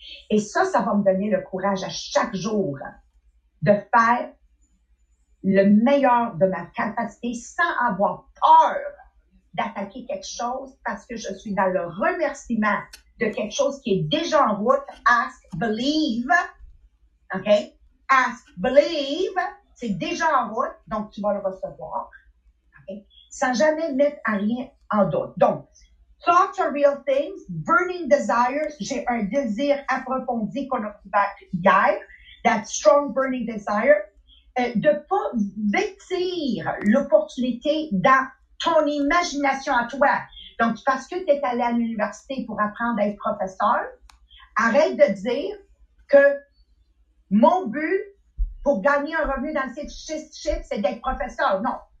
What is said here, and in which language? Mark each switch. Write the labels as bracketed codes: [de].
[fr] Et ça va me donner le courage à chaque jour de faire le meilleur de ma capacité sans avoir peur d'attaquer quelque chose parce que je suis dans le remerciement de quelque chose qui est déjà en route. [en] Ask, believe. OK? Ask, believe. [fr] C'est déjà en route, donc tu vas le recevoir. Okay? Sans jamais mettre à rien en doute. Donc, [en] thoughts are real things, burning desires. [fr] J'ai un désir approfondi qu'on a couvert hier. [en] That strong burning desire. [fr] De ne pas vêtir l'opportunité dans ton imagination à toi. Donc, parce que tu es allé à l'université pour apprendre à être professeur, arrête de dire que mon but pour gagner un revenu dans ces chiffres, c'est d'être professeur. Non.